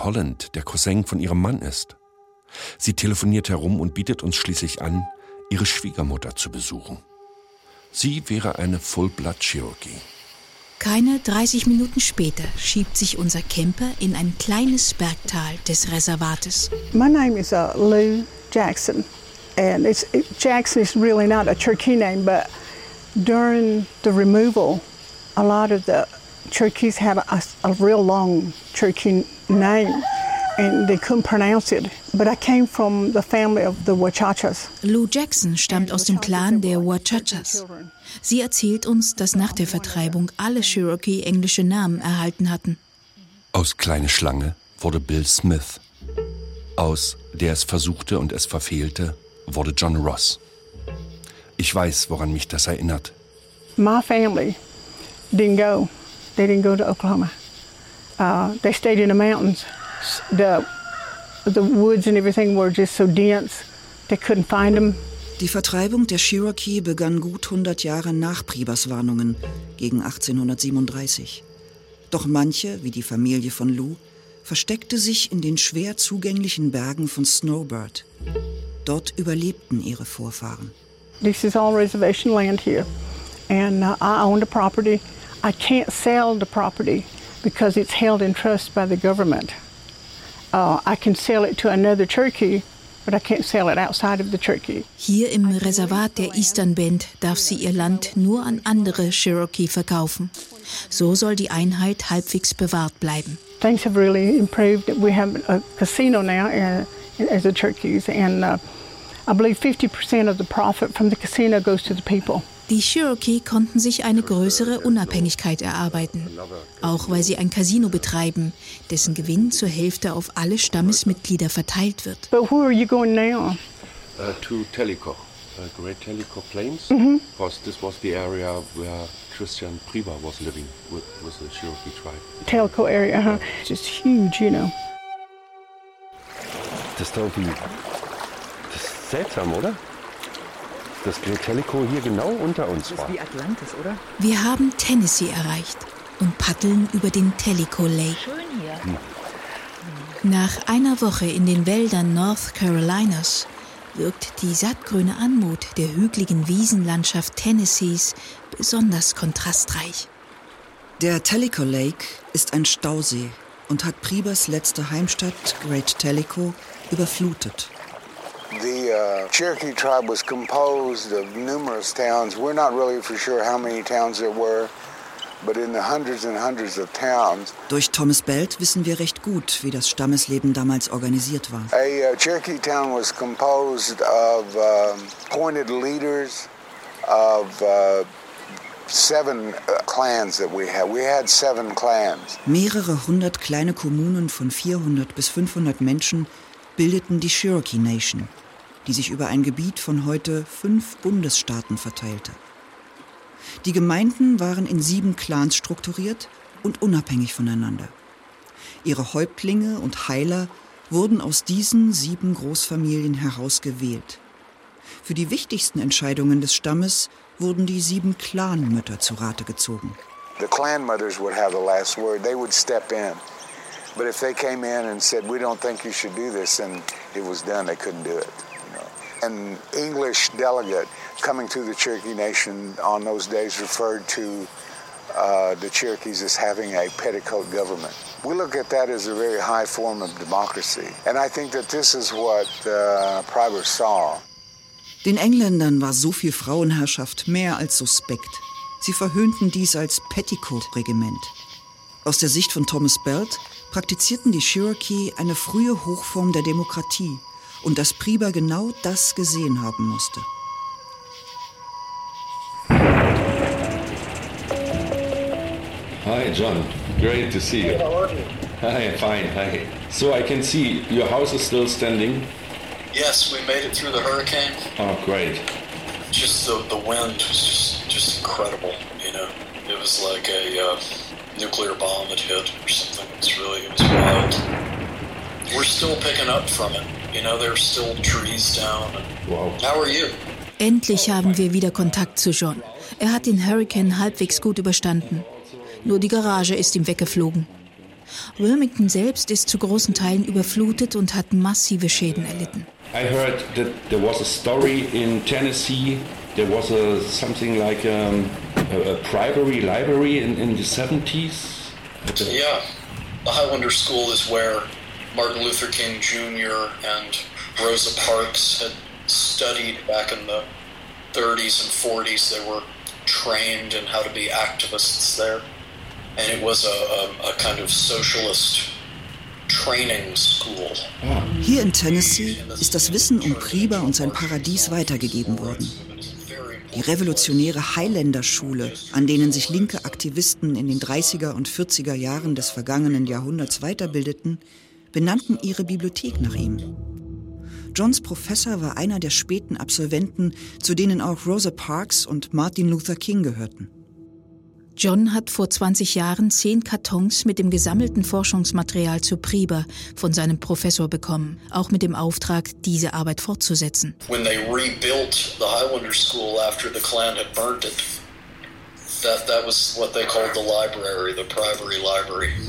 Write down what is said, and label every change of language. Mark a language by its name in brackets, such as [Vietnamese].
[German] Holland der Cousin von ihrem Mann ist. Sie telefoniert herum und bietet uns schließlich an, ihre Schwiegermutter zu besuchen. Sie wäre eine Full-Blood-Cherokee. Keine 30 Minuten später schiebt sich unser Camper in ein kleines Bergtal des Reservates. [English] My name is Lou Jackson. And Jackson is really not a Cherokee name, but during the removal, a lot of the Cherokees have a real long Cherokee name. And they couldn't pronounce it. But I came from the family of the Wachachas. [German] Lou Jackson stammt aus dem Clan der Wachachas. Sie erzählt uns, dass nach der Vertreibung alle Cherokee englische Namen erhalten hatten. Aus Kleine Schlange wurde Bill Smith. Aus Der es versuchte und es verfehlte wurde John Ross. Ich weiß, woran mich das erinnert. [English] My family didn't go. They didn't go to Oklahoma. They stayed in the mountains. The woods and everything were just so dense, they couldn't find them. [German] Die Vertreibung der Cherokee begann gut 100 Jahre nach Pribas Warnungen, gegen 1837. Doch manche, wie die Familie von Lou, versteckte sich in den schwer zugänglichen Bergen von Snowbird. Dort überlebten ihre Vorfahren. [English] This is all reservation land here. And I own the property. I can't sell the property because it's held in trust by the government. I can sell it to another Cherokee, but I can't sell it outside of the Cherokee. [German] Hier im Reservat der Eastern Bend darf sie ihr Land nur an andere Cherokee verkaufen. So soll die Einheit halbwegs bewahrt bleiben. [English] Things have really improved. We have a casino now as a church use, and I believe 50% of the profit from the casino goes to the people. [German] Die Cherokee konnten sich eine größere Unabhängigkeit erarbeiten, auch weil sie ein Casino betreiben, dessen Gewinn zur Hälfte auf alle Stammesmitglieder verteilt wird. [English] But where are you going now? To Tellico, Great Tellico Plains, because this was the area where Christian Priva was living with the Cherokee tribe. Tellico area, huh? Just huge, you know. [German] Das ist irgendwie, das ist seltsam, oder? Das Great Tellico hier genau unter uns war. Das ist wie Atlantis, oder? Wir haben Tennessee erreicht und paddeln über den Tellico Lake. Schön hier. Nach einer Woche in den Wäldern North Carolinas wirkt die sattgrüne Anmut der hügeligen Wiesenlandschaft Tennessees besonders kontrastreich. Der Tellico Lake ist ein Stausee und hat Pribas letzte Heimstadt Great Tellico überflutet. [English] The Cherokee tribe was composed of numerous towns. We're not really for sure how many towns there were, but in the hundreds and hundreds of towns. [German] Durch Thomas Belt wissen wir recht gut, wie das Stammesleben damals organisiert war. [English] A Cherokee town was composed of pointed leaders of seven clans that we had. We had seven clans. [German] Mehrere hundert kleine Kommunen von 400 bis 500 Menschen bildeten die Cherokee Nation, die sich über ein Gebiet von heute 5 Bundesstaaten verteilte. Die Gemeinden waren in 7 Clans strukturiert und unabhängig voneinander. Ihre Häuptlinge und Heiler wurden aus diesen 7 Großfamilien heraus gewählt. Für die wichtigsten Entscheidungen des Stammes wurden die 7 Clanmütter zu Rate gezogen. [English] The clanmothers would have the last word. They would step in. But if they came in and said, we don't think you should do this, then it was done. They couldn't do it. An English delegate coming through the Cherokee Nation on those days referred to the Cherokees as having a petticoat government. We look at that as a very high form of democracy. And I think that this is what Priber saw. [German] Den Engländern war so viel Frauenherrschaft mehr als suspekt. Sie verhöhnten dies als Petticoat-Regiment. Aus der Sicht von Thomas Belt praktizierten die Cherokee eine frühe Hochform der Demokratie, und dass Priber genau das gesehen haben musste. [English] Hi John, great to see you. How are you? Hi, fine, hi. So I can see your house is still standing. Yes, we made it through the hurricane. Oh, great. Just the wind was just incredible, you know. It was like a nuclear bomb that hit or something. It was wild. We're still picking up from it. You know, there are still trees down. Wow. How are you? [German] Endlich haben wir wieder Kontakt zu John. Er hat den Hurricane halbwegs gut überstanden. Nur die Garage ist ihm weggeflogen. Wilmington selbst ist zu großen Teilen überflutet und hat massive Schäden erlitten. [English] I heard that there was a story in Tennessee. There was a something like a primary library in the 70s. Yeah. The Highlander School is where Martin Luther King Jr. and Rosa Parks had studied back in the 30s and 40s. They were trained in how to be activists there. And it was a kind of socialist training school. [German] Hier in Tennessee ist das Wissen um Priber und sein Paradies weitergegeben worden. Die revolutionäre Highlander-Schule, an denen sich linke Aktivisten in den 30er und 40er Jahren des vergangenen Jahrhunderts weiterbildeten, benannten ihre Bibliothek nach ihm. Johns Professor war einer der späten Absolventen, zu denen auch Rosa Parks und Martin Luther King gehörten. John hat vor 20 Jahren 10 Kartons mit dem gesammelten Forschungsmaterial zu Priber von seinem Professor bekommen, auch mit dem Auftrag, diese Arbeit fortzusetzen. [English] When they rebuilt the Highlander School after the Klan had burnt it, that was what they called the library, the primary library.